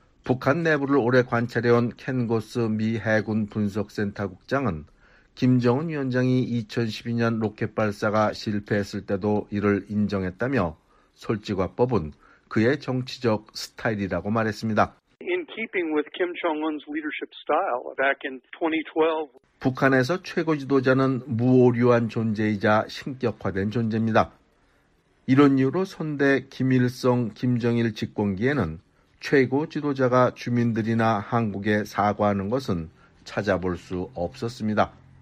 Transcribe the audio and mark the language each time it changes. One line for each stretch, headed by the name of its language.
Korean: 북한 내부를 오래 관찰해온 켄고스 미 해군 분석센터 국장은 김정은 위원장이 2012년 로켓 발사가 실패했을 때도 이를 인정했다며 솔직화법은 그의 정치적 스타일이라고 말했습니다.
English: In keeping with Kim Jong-un's leadership style, back in 2012,
Korean: 북한에서 최고 지도자는 무오류한 존재이자 신격화된 존재입니다. 이런 이유로 선대 김일성, 김정일 집권기에는 최고 지도자가 주민들이나 한국에 사과하는 것은 찾아볼 수 없었습니다.